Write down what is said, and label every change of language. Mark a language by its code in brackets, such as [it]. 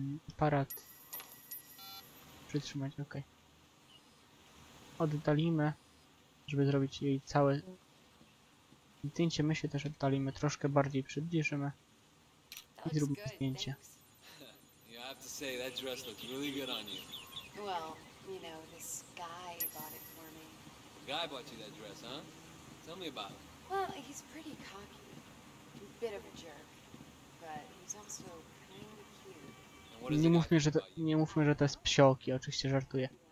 [pl] Aparat. Przytrzymać, okej. Oddalimy, żeby zrobić jej całe zdjęcie. My się też oddalimy, troszkę bardziej przybliżymy. I zróbmy zdjęcie. [en] You have to say, that dress looks really good on you. Well, you know, this guy bought it for me. The guy bought you that dress, huh? Tell me about it. Well, he's pretty cocky. Bit of a jerk, but he's also kind of cute. [pl] Nie mówmy, że to jest psioki, oczywiście żartuję.